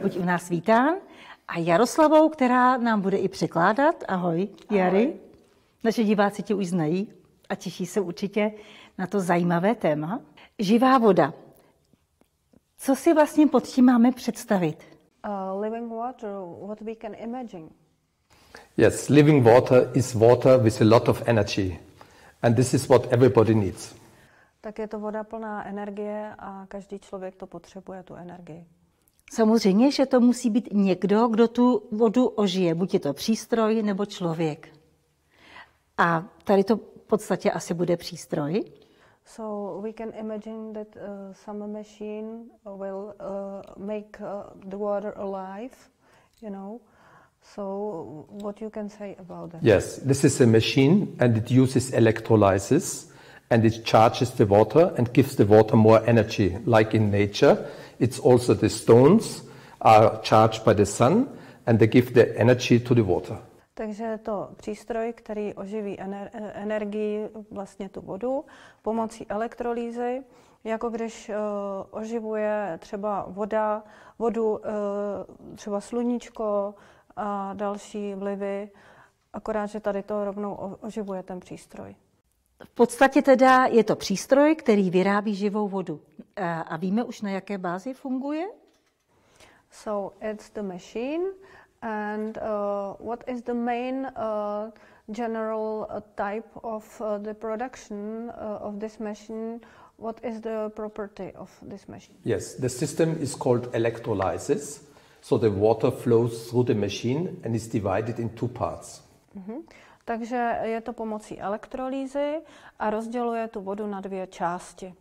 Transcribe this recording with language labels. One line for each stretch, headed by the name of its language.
Czech: Buď u nás vítán. A Jaroslavou, která nám bude i překládat. Ahoj, Jary. Ahoj. Naše diváci tě už znají a těší se určitě na to zajímavé téma. Živá voda. Co si vlastně pod tím máme představit?
English: Living water, what we can imagine. Yes, living water is water with a lot of energy. And this is what everybody needs.
Czech: Tak je to voda plná energie a každý člověk to potřebuje, tu energii. Samozřejmě, že to musí být někdo, kdo tu vodu ožije. Buď je to přístroj nebo člověk. A tady to v podstatě asi bude přístroj.
English: So we can imagine that some machine will make the water alive, you know. So what you can say about that? Yes, this is a machine and it uses electrolysis and it charges the water and gives the water more energy. Like in nature, it's also the stones are charged by the sun and they give the energy to the water.
Czech: Takže je to přístroj, který oživí energii, vlastně tu vodu, pomocí elektrolýzy, jako když oživuje třeba vodu, třeba sluníčko a další vlivy, akorát, že tady to rovnou oživuje ten přístroj. V podstatě teda je to přístroj, který vyrábí živou vodu. A víme už, na jaké bázi funguje?
English: So it's the machine. And what is the main general type of the production of this machine? What is the property of this machine? Yes, the system is called electrolysis. So the water flows through the machine and is divided in two parts. Mm-hmm.
Czech: Takže je to pomocí elektrolýzy a rozděluje tu vodu na dvě části.